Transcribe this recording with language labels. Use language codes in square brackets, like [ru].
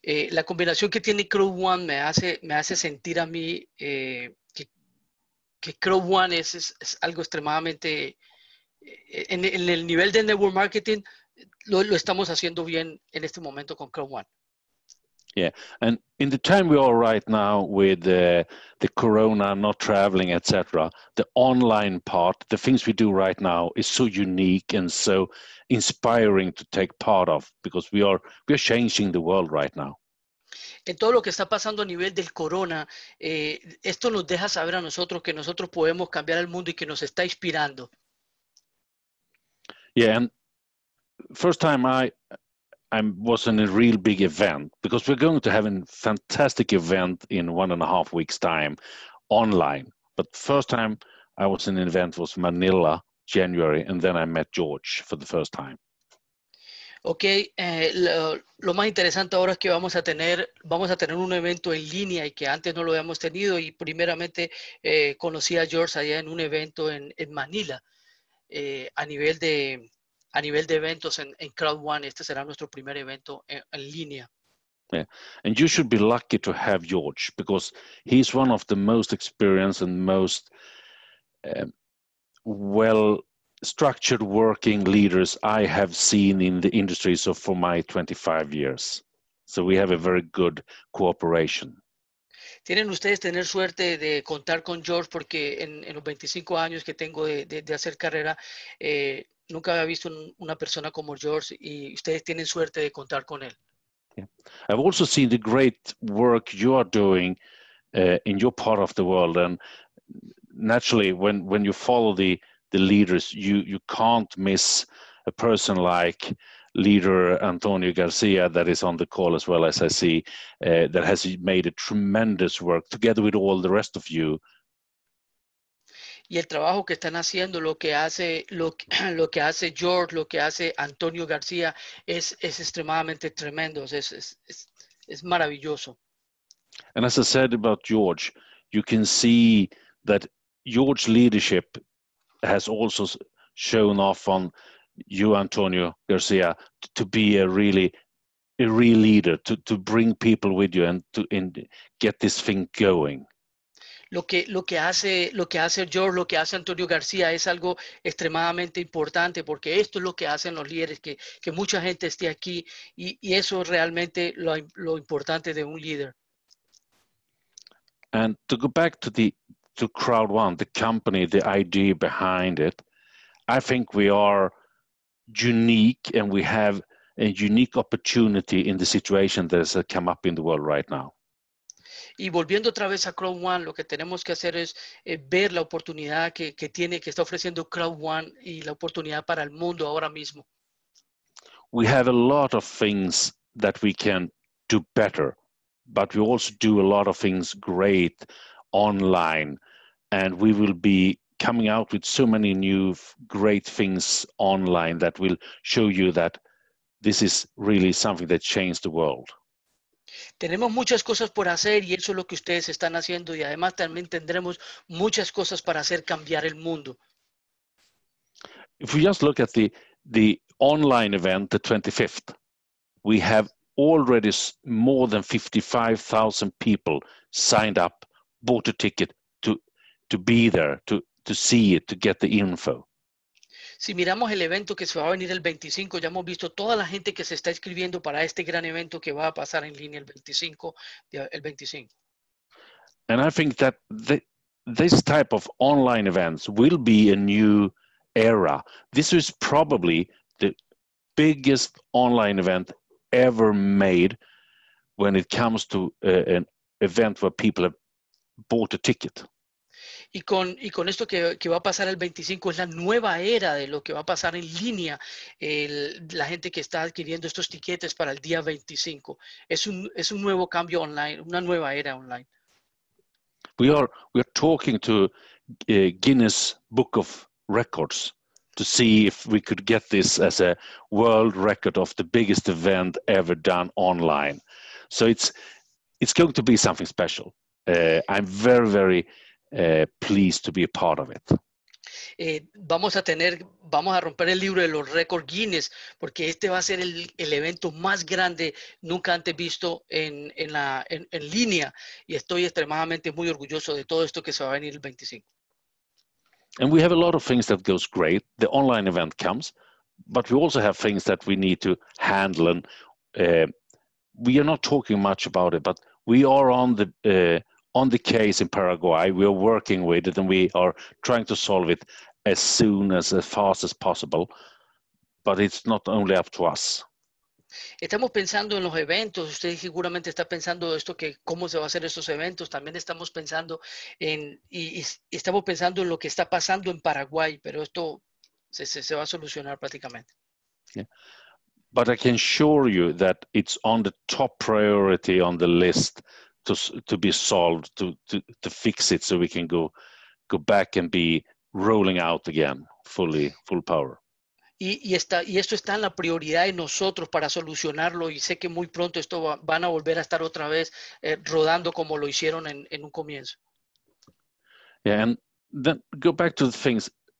[es] La combinación que tiene Crowd1 me hace sentir a mí que Crowd1 es algo extremadamente en el nivel de network marketing lo estamos haciendo bien en este momento con Crowd1. [en] Yeah, and in the time we are right now with the corona, not traveling, etc., the online part, the things we do right now is so unique and so inspiring to take part of, because we are changing the world right now. [es] En todo lo que está pasando a nivel del corona, esto nos deja saber a nosotros que nosotros podemos cambiar el mundo y que nos está inspirando. [en] Yeah, and first time I was in a real big event, because we're going to have a fantastic event in 1.5 weeks' time online. But first time I was in an event was Manila, January, and then I met George for the first time. [es] Okay, lo más interesante ahora es que vamos a tener un evento en línea y que antes no lo habíamos tenido, y primeramente conocí a George allá en un evento en Manila a nivel de eventos en Crowd1. Este será nuestro primer evento en línea. Yeah. [en] And you should be lucky to have George, because he's one of the most experienced and most well-structured working leaders I have seen in the industry so for my 25 years. So we have a very good cooperation. [es] Tienen ustedes tener suerte de contar con George, porque en los 25 años que tengo de hacer carrera, nunca había visto una persona como George, y ustedes tienen suerte de contar con él. Yeah. [en] I've also seen the great work you are doing in your part of the world, and naturally, when you follow the leaders, you can't miss a person like leader Antonio Garcia that is on the call as well, as I see, that has made a tremendous work together with all the rest of you. [es] Y el trabajo que están haciendo, lo que hace George, lo que hace Antonio García, es extremadamente tremendo, es maravilloso. [en] And as I said about George, you can see that George's leadership has also shown off on you, Antonio García, to be a real leader, to bring people with you and get this thing going. [es] Lo que hace George, lo que hace Antonio García, es algo extremadamente importante, porque esto es lo que hacen los líderes, que mucha gente esté aquí, y eso es realmente lo importante de un líder. [en] And to go back to the Crowd1, the company, the idea behind it, I think we are unique, and we have a unique opportunity in the situation that has come up in the world right now. [es] Y volviendo otra vez a Crowd1, lo que tenemos que hacer es ver la oportunidad que tiene, que está ofreciendo Crowd1, y la oportunidad para el mundo ahora mismo. [en] We have a lot of things that we can do better, but we also do a lot of things great online, and we will be coming out with so many new great things online that will show you that this is really something that changed the world. [es] Tenemos muchas cosas por hacer, y eso es lo que ustedes están haciendo, y además también tendremos muchas cosas para hacer cambiar el mundo. [en] If we just look at the online event, the 25th, we have already more than 55,000 people signed up, bought a ticket to be there, to see it, to get the info. [es] Si miramos el evento que se va a venir el 25, ya hemos visto toda la gente que se está inscribiendo para este gran evento que va a pasar en línea el 25. [en] And I think that this type of online events will be a new era. This is probably the biggest online event ever made when it comes to an event where people have bought a ticket. [es] Y con esto que va a pasar el 25, es la nueva era de lo que va a pasar en línea, la gente que está adquiriendo estos tiquetes para el día 25. Es un nuevo cambio online, una nueva era online. [en] We are talking to Guinness Book of Records to see if we could get this as a world record of the biggest event ever done online. So it's going to be something special. I'm very, very pleased to be a part of it. [es] Vamos a romper el libro de los récords Guinness, porque este va a ser el evento más grande nunca antes visto en línea, y estoy extremadamente muy orgulloso de todo esto que se va a venir el 25. [en] And we have a lot of things that goes great. The online event comes, but we also have things that we need to handle, and we are not talking much about it, but we are on the case in Paraguay, we are working with it, and we are trying to solve it as soon as fast as possible. But it's not only up to us. [es] Estamos pensando en los eventos. Usted seguramente está pensando esto, que cómo se va a hacer estos eventos. También estamos pensando en lo que está pasando en Paraguay. Pero esto se va a solucionar prácticamente. Yeah. [en] But I can assure you that it's on the top priority on the list to be solved, to fix it, so we can go back and be rolling out again full power. [es] Y esto está en la prioridad de nosotros para solucionarlo, y sé que muy pronto esto van a volver a estar otra vez rodando como lo hicieron en un comienzo. [en] Yeah, and then go back to the things.